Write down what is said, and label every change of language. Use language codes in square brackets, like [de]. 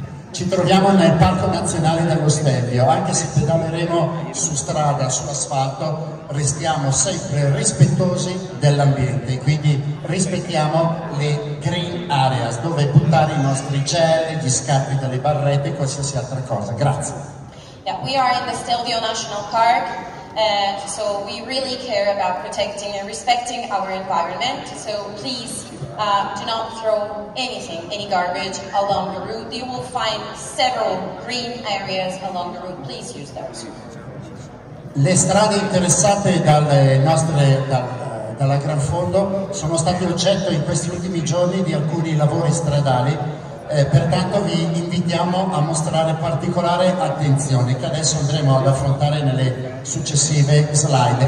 [it] Ci troviamo nel Parco Nazionale dello Stelvio. Anche se pedaleremo su strada, sull'asfalto, restiamo sempre rispettosi dell'ambiente. Quindi rispettiamo le [en] green areas, [it] dove buttare i nostri gelli, gli scarpe dalle barrette e qualsiasi altra cosa. Grazie. [en] Yeah, we are in the Stelvio National Park, so we really care about protecting and respecting our environment. So please do not throw anything, any garbage along the route. You will find several green areas along the route. Please use those. [it] Le strade interessate dalle nostre, dalla Gran Fondo sono state oggetto in questi ultimi giorni di alcuni lavori stradali, pertanto vi invitiamo a mostrare particolare attenzione, che adesso andremo ad affrontare nelle successive slide.